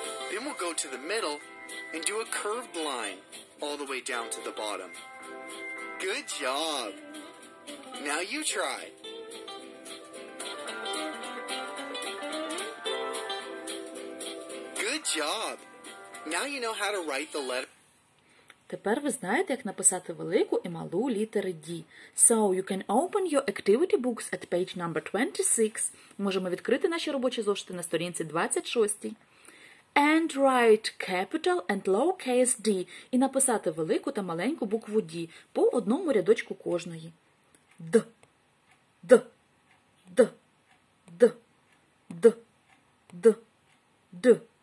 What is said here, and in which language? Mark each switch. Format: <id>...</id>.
<en>Then we'll go to the middle and do a curved line all the way down to the bottom. Good job. Now you try. Good job. Now you know how to write the letter.</en> <uk>Тепер ви знаєте, як написати велику і малу літери D.</uk> <en>So, you can open your activity books at page number 26.</en> <uk>Можемо відкрити наші робочі зошити на сторінці 26.</uk> <en>And write capital and lowercase d.</en> <uk>І написати велику та маленьку букву D по одному рядочку кожної. Д. Д. Д. Д. Д. Д. Д.</uk>